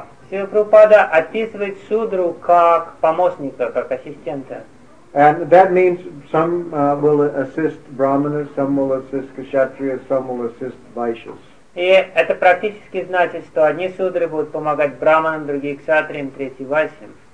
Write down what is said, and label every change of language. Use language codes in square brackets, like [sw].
[ru] Сила Прабхупада описывает шудру как помощника, как ассистента. [en] And that means some will assist brahmanas, some will assist kshatriyas, some will assist vaishyas. [ru] И это практически значит, что одни шудры будут помогать брахманам, другие кшатриям, третьи вайсьям.